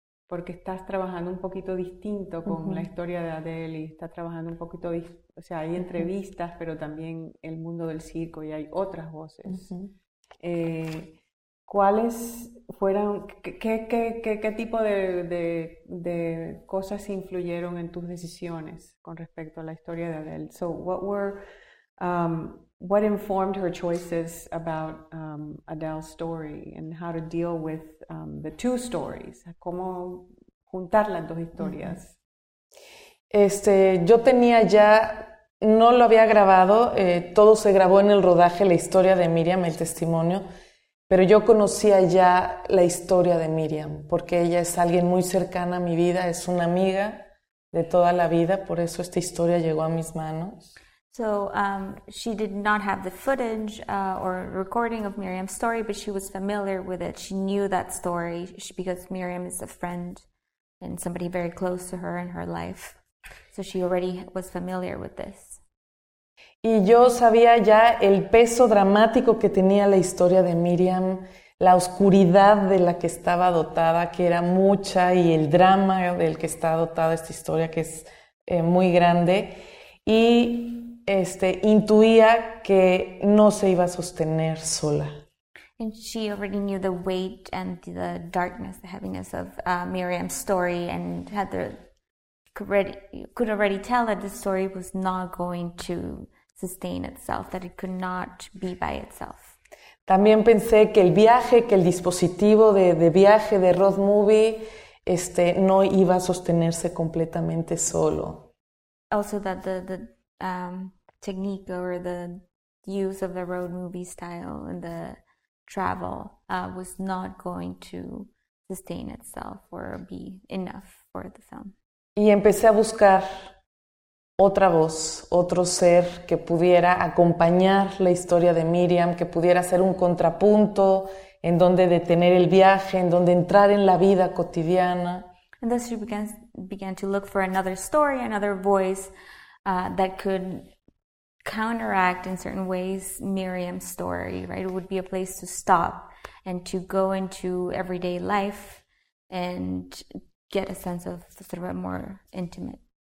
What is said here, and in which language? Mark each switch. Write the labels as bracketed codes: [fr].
[es] Porque estás trabajando un poquito distinto con la historia de Adele y estás trabajando un poquito, o sea, hay entrevistas, pero también el mundo del circo y hay otras voces. ¿Cuáles fueron, qué tipo de cosas influyeron en tus decisiones con respecto a la historia de Adele? [en] So what were, what informed her choices about Adele's story and how to deal with the two stories? [es] ¿Cómo juntar las dos historias? Yo tenía ya, no lo había grabado, todo se grabó en el rodaje, la historia de Miriam, el testimonio, pero yo conocía ya la historia de Miriam, porque ella es alguien muy cercana a mi vida, es una amiga de toda la vida, por eso esta historia llegó a mis manos. [en] So she did not have the footage or recording of Miriam's story, but she was familiar with it. She knew that story because Miriam is a friend and somebody very close to her in her life. So she already was familiar with this. [es] Y yo sabía ya el peso dramático que tenía la historia de Miriam, la oscuridad de la que estaba dotada, que era mucha, y el drama del que está dotada esta historia, que es muy grande. Y intuía que no se iba a sostener sola. [en] And she already knew the weight and the darkness, the heaviness of Miriam's story, and had the, could already tell that the story was not going to sustain itself, that it could not be by itself. [es] También pensé que el viaje, que el dispositivo de viaje de Road Movie, no iba a sostenerse completamente solo. [en] Also that the technique or the use of the Road Movie style and the travel was not going to sustain itself or be enough for the film. [es] Y empecé a buscar otra voz, otro ser que pudiera acompañar la historia de Miriam, que pudiera ser un contrapunto en donde detener el viaje, en donde entrar en la vida cotidiana. [en] And thus she began to look for another story, another voice that could counteract in certain ways Miriam's story, right? It would be a place to stop and to go into everyday life and get a sense of sort of a more intimate.